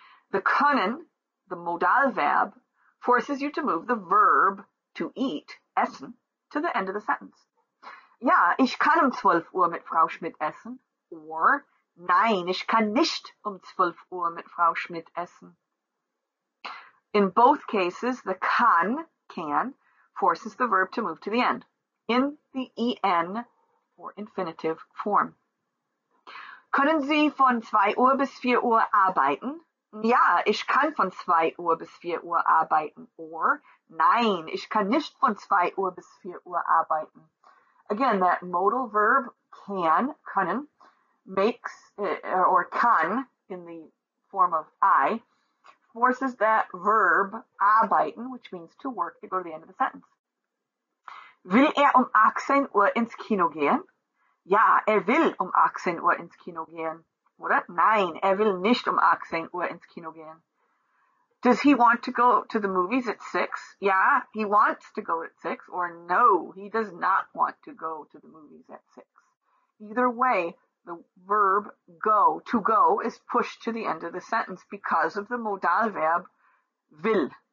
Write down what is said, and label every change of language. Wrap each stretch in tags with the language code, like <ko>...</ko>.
<en>The können, the modal verb, forces you to move the verb to eat, essen, to the end of the sentence.</en> <de>Ja, ich kann um 12 Uhr mit Frau Schmidt essen. Or, nein, ich kann nicht um 12 Uhr mit Frau Schmidt essen.</de> <en>In both cases, the can, forces the verb to move to the end, in the en, or infinitive, form.</en> <de>Können Sie von 2 Uhr bis 4 Uhr arbeiten? Ja, ich kann von 2 Uhr bis 4 Uhr arbeiten. Or, nein, ich kann nicht von 2 Uhr bis 4 Uhr arbeiten.</de> <en>Again, that modal verb, können, makes, or kann, in the form of I, forces that verb, arbeiten, which means to work, to go to the end of the sentence.</en> <de>Will er um 18 Uhr ins Kino gehen? Ja, er will um 18 Uhr ins Kino gehen. Oder? Nein, er will nicht um 18 Uhr ins Kino gehen.</de> <en>Does he want to go to the movies at 6? Ja, he wants to go at 6. Or no, he does not want to go to the movies at 6. Either way, the verb go, to go, is pushed to the end of the sentence because of the modal verb will.</en>